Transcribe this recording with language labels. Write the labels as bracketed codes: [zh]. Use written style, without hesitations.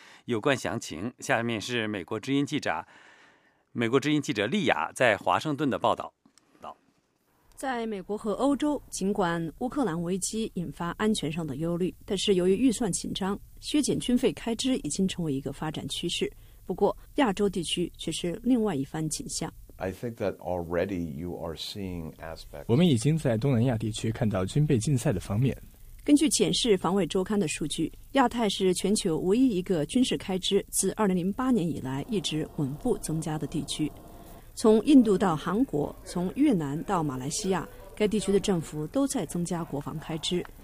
[zh] 有关详情，下面是美国之音记者丽雅在华盛顿的报道。在美国和欧洲，尽管乌克兰危机引发安全上的忧虑，但是由于预算紧张，削减军费开支已经成为一个发展趋势。不过，亚洲地区却是另外一番景象。 [en] I think that already you are seeing aspects. [zh] 我们已经在东南亚地区看到军备竞赛的方面。根据检视防卫周刊的数据，亚太是全球唯一一个军事开支自2008年以来一直稳步增加的地区。从印度到韩国，从越南到马来西亚，该地区的政府都在增加国防开支。